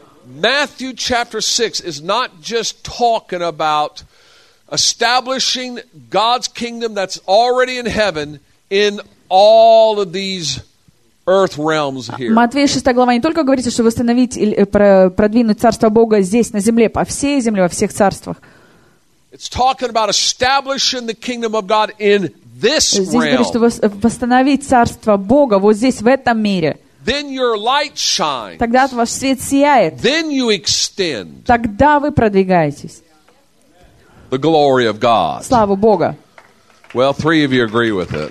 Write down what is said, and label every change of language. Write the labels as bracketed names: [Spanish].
[English] Matthew chapter 6 is not just talking about establishing God's kingdom that's already in heaven in all of these earth realms here. [Russian] Матвея 6 глава не только говорит, что восстановить или продвинуть царство Бога здесь, на земле, по всей земле, во всех царствах. [English] It's talking about establishing the kingdom of God in this realm. [Russian] Здесь говорит, что восстановить царство Бога вот здесь, в этом мире. [English] Then your light shines. [Russian] Тогда ваш свет сияет. [English] Then you extend. [Russian] Тогда вы продвигаетесь. [English] The glory of God. [Russian] Слава Бога. [English] Well, three of you agree with it.